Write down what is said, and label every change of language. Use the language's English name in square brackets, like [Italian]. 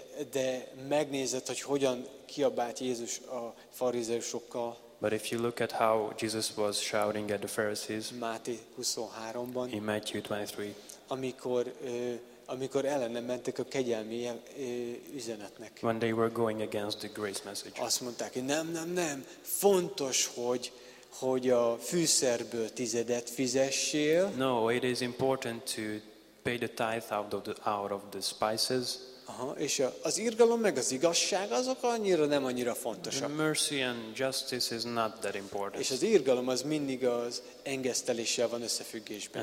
[Hungarian] De megnézed, hogy hogyan kiabált Jézus a farizeusokkal. [English] But if you look at how Jesus was shouting at the Pharisees [Hungarian] Máté 23-ban, [English] in Matthew 23, [Hungarian] amikor amikor ellenem mentek a kegyelmi üzenetnek. [English] When they were going against the grace message. [Hungarian] Azt mondták, hogy nem, fontos, hogy a fűszerből tizedet fizessél. [English] No, it is important to pay the tithe out of the spices. [Hungarian] Aha, és az irgalom meg az igazság azok annyira nem annyira fontosak. [English] Mercy and justice is not that important. [Hungarian] És az irgalom az mindig az engeszteléssel van összefüggésben.